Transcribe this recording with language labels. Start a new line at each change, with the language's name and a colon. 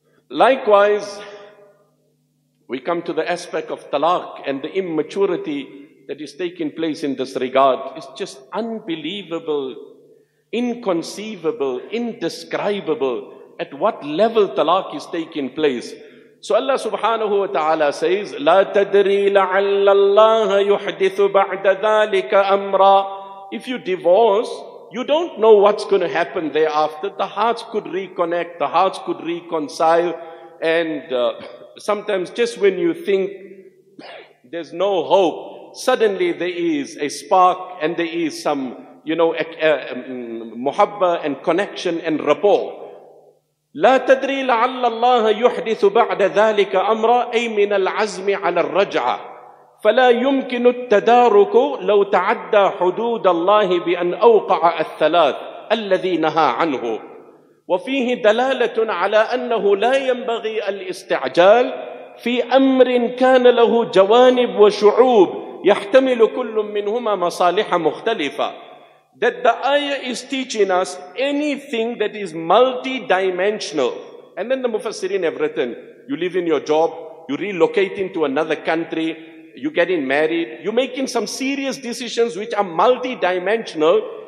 English: Likewise, we come to the aspect of talaq and the immaturity that is taking place in this regard. It's just unbelievable, inconceivable, indescribable at what level talaq is taking place. So Allah subhanahu wa ta'ala says,
Arabic: لَا تَدْرِي لَعَلَّ اللَّهَ يُحْدِثُ بَعْدَ ذَٰلِكَ أَمْرًا.
English: If you divorce, you don't know what's going to happen thereafter. The hearts could reconnect, the hearts could reconcile. And sometimes just when you think there's no hope, suddenly there is a spark and there is some, you know, muhabbah and connection and rapport.
Arabic: لا تدري لعل الله يحدث بعد ذلك أمرا أي من العزم على الرجعة فلا يمكن التدارك لو تعدى حدود الله بأن أوقع الثلاث الذي نهى عنه. وفيه دلالة على أنه لا ينبغي الاستعجال في أمر كان له جوانب وشعوب يحتمل كل منهما مصالح مختلفة.
English: That the ayah is teaching us anything that is multi-dimensional. And then the Mufassirin have written, you leave in your job, you relocate into another country, you're getting married, you're making some serious decisions which are multi-dimensional.